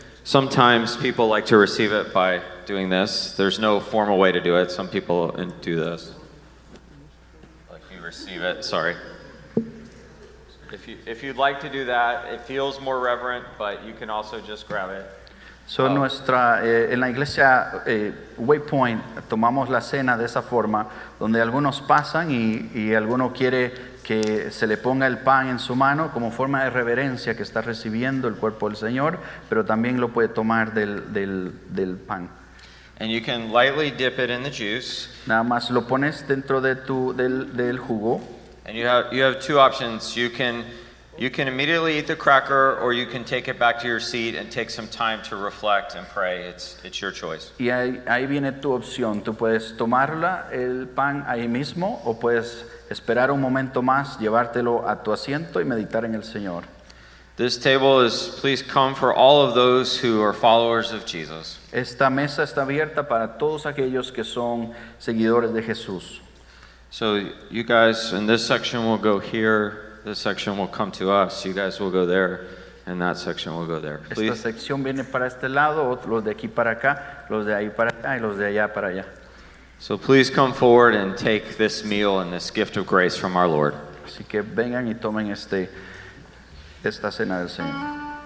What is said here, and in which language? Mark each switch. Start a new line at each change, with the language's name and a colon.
English: Sometimes people like to receive it by doing this. There's no formal way to do it. Some people do this. Like you receive it, sorry. If you'd like to do that, it feels more reverent, but you can also just grab it.
Spanish: So nuestra en la iglesia Waypoint tomamos la cena de esa forma, donde algunos pasan y alguno quiere que se le ponga el pan en su mano como forma de reverencia que está recibiendo el cuerpo del Señor, pero también lo puede tomar del pan.
English: And you can lightly dip it in the juice.
Spanish: Nada más lo pones dentro de tu del jugo.
English: And you have two options. You can immediately eat the cracker, or you can take it back to your seat and take some time to reflect and pray. It's your choice.
Spanish: Y ahí viene tu opción. Tú puedes tomarla el pan ahí mismo, o puedes esperar un momento más, llevártelo a tu asiento y meditar en el Señor.
English: This table is, please come for all of those who are followers of Jesus.
Spanish: Esta mesa está abierta para todos aquellos que son seguidores de Jesús.
English: So you guys in this section will go here, this section will come to us, you guys will go there, and that section will go there. Please.
Spanish: Esta sección viene para este lado, los de aquí para acá, los de ahí para acá, y los de allá para allá.
English: So please come forward and take this meal and this gift of grace from our Lord.
Spanish: Así que vengan y tomen esta cena del Señor.